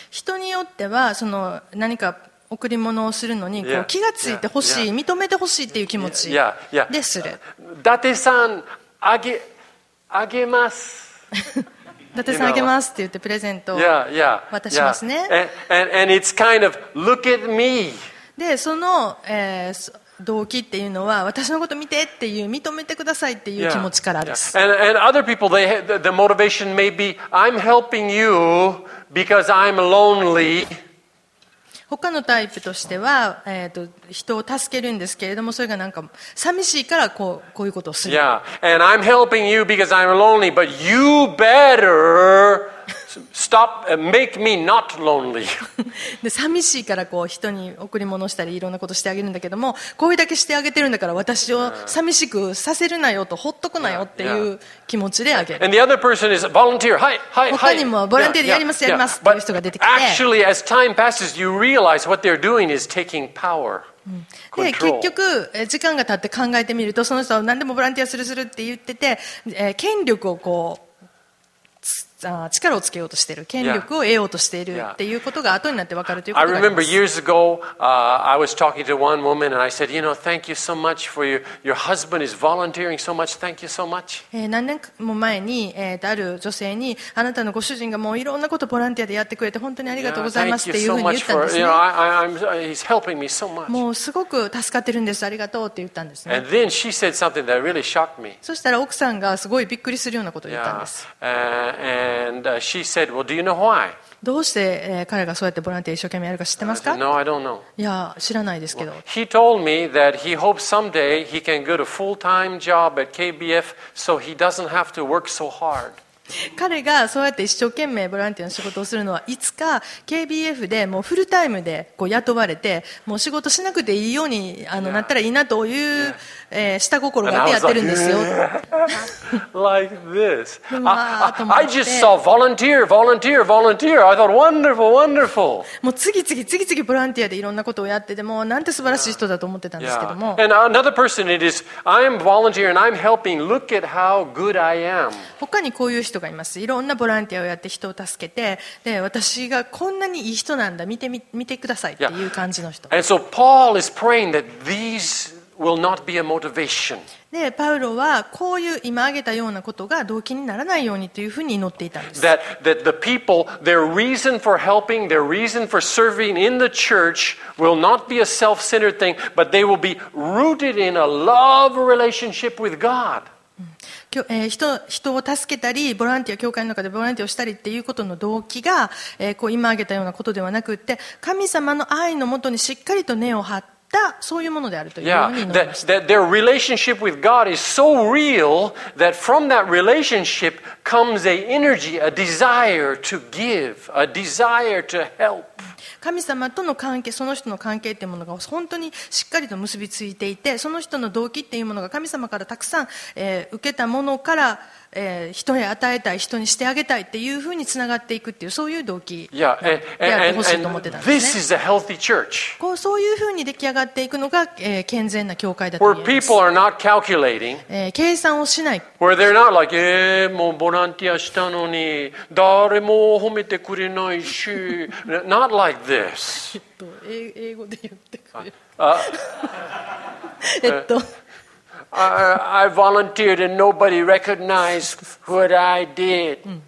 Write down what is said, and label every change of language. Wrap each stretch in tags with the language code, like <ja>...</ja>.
<ja>人によってはその何か贈り物をするのにこう気がついてほしい、認めてほしいっていう気持ちでする。伊達さんあげます。伊達さんあげますって言ってプレゼントを渡しますね。</ja> <en>And it's kind of look at me.</en> <ja>でその、動機っていうのは私のこと見てっていう認めてくださいっていう気持ちからです。</ja> <en>And other people they the motivation may be I'm helping you because I'm lonely.</en> <ja>他のタイプとしては、人を助けるんですけれども、それがなんか寂しいからこういうことをする。</ja> <en>Yeah, and I'm helping you because I'm lonely, but you better stop and make me not lonely.</en> <ja>で、寂しいからこう人に贈り物したりいろんなことしてあげるんだけども、こういうだけしてあげてるんだから私を寂しくさせるなよと、ほっとくなよっていう気持ちであげる。</ja> <en>And the other person is volunteer.</en> <ja>はい。他にもボランティアでやります、やりますっていう人が出てきて。</ja> <en>Actually, as time passes, you realize what they're doing is taking power.</en> <ja>で結局時間が経って考えてみると、その人は何でもボランティアするって言ってて、権力をこう力をつけようとしている、権力を得ようとしているっていうことが後になって分かるということがあります。</ja> <en>I remember years ago, I was talking to one woman and I said, you know, thank you so much for your husband is volunteering so much. Thank you so much.</en> <ja>何年も前に、ある女性に、あなたのご主人がもういろんなことボランティアでやってくれて本当にありがとうございますっていうふうに言ったんですね。</ja> <en>Thank you so much for, he's helping me so much.</en> <ja>もうすごく助かってるんです、ありがとうって言ったんですね。</ja> <en>And then she said something that really shocked me.</en> <ja>そしたら奥さんがすごいびっくりするようなことを言ったんです。</ja> <en>And she said, "Well, do you know why?"</en> <ja>どうして彼がそうやってボランティア一生懸命やるか知ってますか？</ja> <en>No, I don't know.</en> <ja>いや、知らないですけど。</ja> <en>He told me that he hopes someday he can get a full-time job at KBF so he doesn't have to work so hard.</en> <ja>彼がそうやって一生懸命ボランティアの仕事をするのはいつか KBF でもうフルタイムでこう雇われてもう仕事しなくていいようになったらいいなという、下心があってやってるんですよ。</ja> <en>Like this. I just saw volunteer, volunteer, volunteer. I thought wonderful, wonderful.</en> <ja>もう次々ボランティアでいろんなことをやっててもうなんて素晴らしい人だと思ってたんですけども。</ja> <en>And another person, it is I'm volunteer and I'm helping. Look at how good I am.</en> <ja>他にこういう人がいます。いろんなボランティアをやって人を助けて、で私がこんなにいい人なんだ見てくださいっていう感じの人。</ja> <en>And so Paul is praying that these will not be a motivation.</en> <ja>でパウロはこういう今挙げたようなことが動機にならないようにというふうに祈っていたんです。</ja> <en>That the people, their reason for helping, their reason for serving in the church will not be a self-centered thing, but they will be rooted in a love relationship with God.</en> <ja>人を助けたりボランティア教会の中でボランティアをしたりっていうことの動機が、こう今挙げたようなことではなくって神様の愛のもとにしっかりと根を張ったそういうものであるというふうに祈りました。</ja> <en>Yeah, that their relationship with God is so real that from that relationship comes a energy, a desire to give, a desire to help.</en> <ja>神様との関係、その人の関係というものが本当にしっかりと結びついていて、その人の動機というものが神様からたくさん、受けたものから、人へ与えたい、人にしてあげたいというふうにつながっていくという、そういう動機であってほしいと思ってたんですね。</ja> <en>This is a healthy church.</en> <ja>こうそういうふうに出来上がっていくのが、健全な教会だと言えます。</ja> <en>Where people are not calculating.</en> <ja>計算をしない。</ja> <en>Where they're not like,</en> <ja>もうボランティアしたのに、誰も褒めてくれないし、</ja> <en>not like this.</en> <ja>英語で言ってくれ。</ja> <en>I volunteered and nobody recognized what I did.</en>